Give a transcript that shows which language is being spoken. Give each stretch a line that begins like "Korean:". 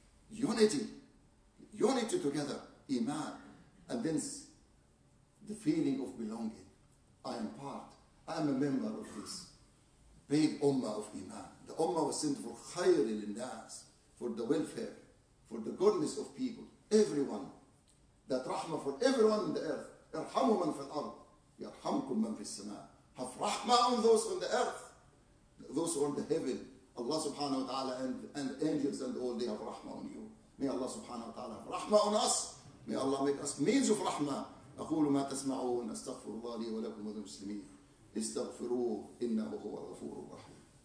English: Unity together, Iman, and then the feeling of belonging. I am part, I am a member of this big ummah of Iman. The ummah was sent for khayr al-nas, for the welfare, for the goodness of people, everyone, that rahmah for everyone on the earth.
Arabic: يرحم من في الأرض يرحمكم من في السماء.
English: Have rahmah on those on the earth, those on the heaven. Allah subhanahu wa ta'ala and angels and all, they have rahmah on you. May Allah subhanahu wa ta'ala have rahmah on us. May Allah make us means of rahmah.
Arabic: أقول ما تسمعون أستغفر الله لي ولكم وللمسلمين استغفروه إنه هو الغفور الرحيم.